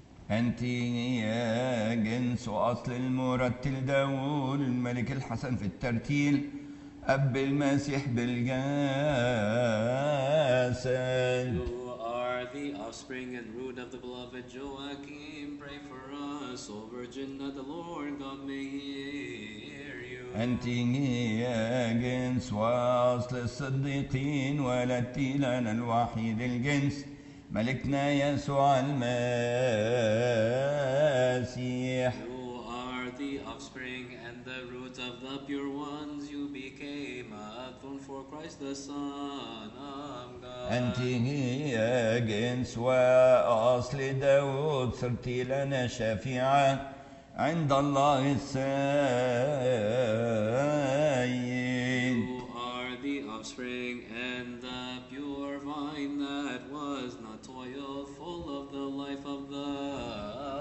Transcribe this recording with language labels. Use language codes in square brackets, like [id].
[ar] أنتي يا جنس وأصل المرتل داود الملك الحسن في الترتيل أب المسيح بالجسد. [en] The offspring and root of the beloved Joachim, pray for us, O Virgin, that the Lord God may hear you. [ar] أنتي جنس وأصل الصديقين، ولدتي لنا الوحيد الجنس ملكنا يسوع المسيح. [en] You are the offspring and the root of the pure ones, you became a throne for Christ the Son of God. [ar] أنت هي جنس وأصل داود، صرتي لنا شفيعة عند الله السيد. [en] You are the offspring and the pure vine that was not toil, full of the life of the world.